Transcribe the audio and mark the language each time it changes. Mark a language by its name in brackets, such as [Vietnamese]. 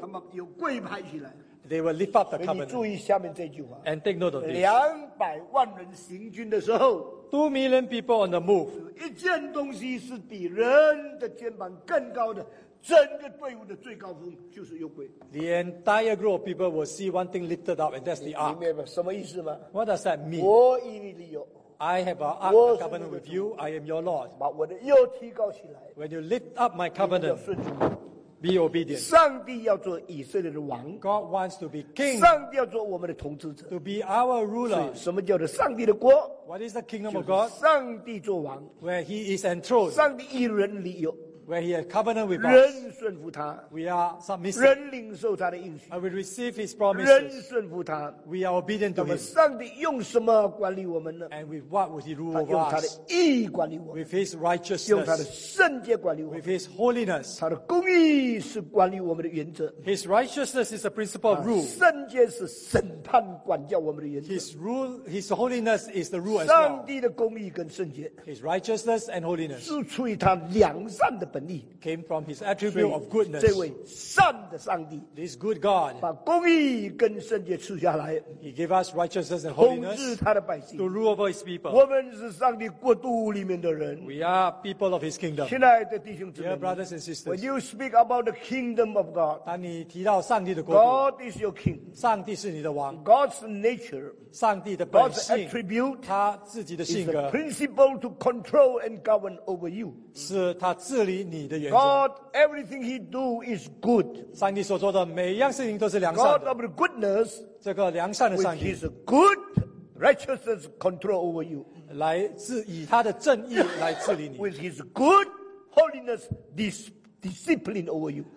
[Chinese] 他们有柜排起来。 [English] They will lift up the covenant. [Chinese] 所以你注意下面这句话。 [English] And take note of this. [Chinese] 两百万人行军的时候。 [English] 2 million people on the move. [Chinese] 一件东西是比人的肩膀更高的，整个队伍的最高峰就是右柜。 [English] The entire group of people will see one thing lifted up, and that's the ark. [Chinese] 你明白什么意思吗 [English] ？What does that mean? [Chinese] 我与你立约。 [English] I have an ark of covenant with you. I am your Lord. [Chinese] 把我的右提高起来。 [English] When you lift up my covenant. [Chinese] 你要顺从。 [English] Be obedient. [Chinese] 上帝要做以色列的王。 [English] God wants to be king. [Chinese] 上帝要做我们的统治者。 [English] To be our ruler. [Chinese] 什么叫做上帝的国 [English] ？What is the kingdom of God? [Chinese] 就是上帝做王。 [English] Where he is enthroned. [Chinese] 上帝与人立约。 [English] Where he has covenant with us. [Chinese] 人顺服他。 [English] We are submissive. [Chinese] 人领受他的应许。 [English] And we receive his promises. [Chinese] 人顺服他。 [English] We are obedient to him. [Chinese] 那么上帝用什么管理我们呢 [English] ？And with what would he rule over us? [Chinese] 他用他的义管理我们。 [English] With his righteousness. [Chinese] 用他的圣洁管理我们。 [English] With his holiness. [Chinese] 他的公义。是管理我们的原则。 [English] His righteousness is a principle of rule. [Chinese] 圣洁是审判管教我们的原则。 [English] His rule, His holiness is the rule as well. [Chinese] 上帝的公义跟圣洁。 [English] His righteousness and holiness. [Chinese] 是出于他良善的本意。 [English] Came from his attribute of goodness. [Chinese] 这位善的上帝。 [English] This good God. [Chinese] 把公义跟圣洁赐下来。 [English] He gave us righteousness and holiness. [Chinese] 统治他的百姓。 [English] To rule over his people. [Chinese] 我们是上帝国度里面的人。 [English] We are people of his kingdom. [Chinese] 亲爱的弟兄姊妹。 [English] Dear brothers and sisters. When you speak about the kingdom of God. [Chinese] 当你提到上帝的国度。 [English] God is your king. [Chinese] 上帝是你的王。 [English] God's nature. [Chinese] 上帝的本性。 [English] God's attribute. [Chinese] 他自己的性格。 [English] Is a principle to control and govern over you. [Chinese] 是他治理你的原则。 [English] God, everything he do is good. [Chinese] 上帝所做的每一样事情都是良善的。 [English] God of the goodness. [Chinese] 这个良善的上帝。 [English] With his good righteousness control over you. [Chinese] 来治以他的正义来治理你。 [English] With his good holiness discipline over you.